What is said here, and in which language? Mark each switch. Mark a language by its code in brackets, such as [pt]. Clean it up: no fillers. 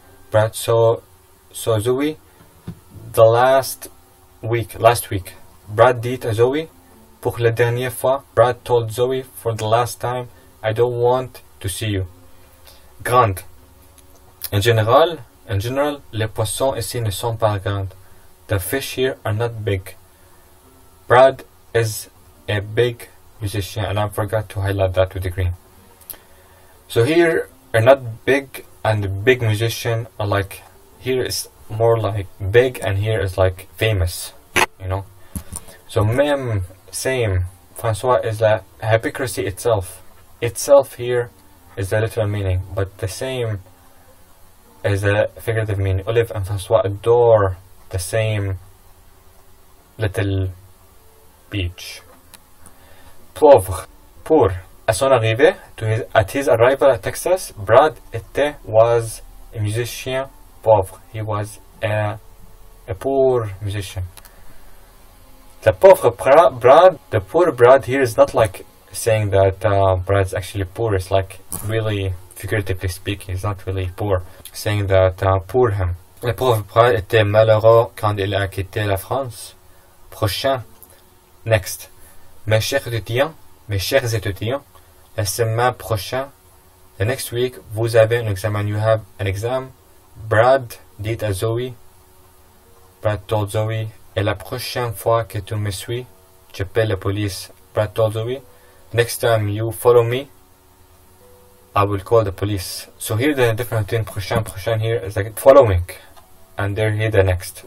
[en] Brad saw Zoe the last week. [fr] Brad dit à Zoe, pour la dernière fois, [en] Brad told Zoe for the last time, I don't want to see you. Grand. In general, [fr] les poissons ici ne sont pas grands. [en] The fish here are not big. Brad is a big musician, and I forgot to highlight that with the green. So here are not big and big musician are like, here is more like big and here is like famous, you know. So même, same, François is the hypocrisy itself. Itself here is the literal meaning, but the same is a figurative meaning. Olive and François adore the same little beach. Pauvre, poor. [fr] À son arrivée, [en] at his arrival at Texas, Brad was a musician pauvre. He was a poor musician. The pauvre Brad, the poor Brad here is not like saying that Brad's actually poor. It's like really, figuratively speaking, he's not really poor. Saying that poor him. [fr] Le pauvre Brad était malheureux quand il a quitté la France. Prochain, next. Mes chers étudiants, la semaine prochaine, [en] the next week, [fr] vous avez un examen, [en] you have an exam. [fr] Brad dit à Zoe, [en] Brad told Zoe, [fr] et la prochaine fois que tu me suis, j'appelle la police. [en] Brad told Zoe, next time you follow me, I will call the police. So here the difference between prochain here is like following, and there here the next.